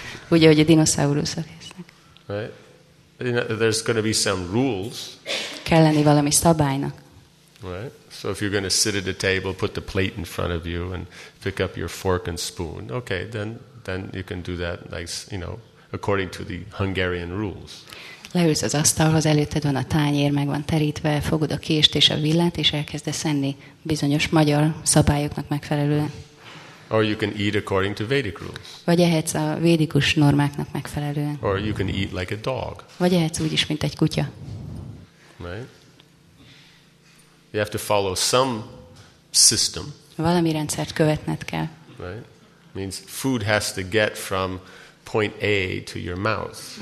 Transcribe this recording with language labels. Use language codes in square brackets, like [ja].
[hu] Ugye, hogy a dinoszauruszok esznek. [en] Right? You know, there's going to be some rules. [hu] Kell lenni valami szabálynak. [en] Right. So if you're going to sit at a table, put the plate in front of you and pick up your fork and spoon. Okay, then you can do that like, you know, according to the Hungarian rules. [hu] Leülsz az asztalhoz, előtted van a tányér, meg van terítve, fogod a kést és a villát és elkezdesz enni bizonyos magyar szabályoknak megfelelően. [en] Or you can eat according to Vedic rules. [hu] Vagy ehetsz a védikus normáknak megfelelően. [en] Or you can eat like a dog. [hu] Vagy ehetsz úgy is, mint egy kutya. [en] Right. You have to follow some system. [hu] Valami rendszert követned kell. [en] Right? Means food has to get from point A to your mouth.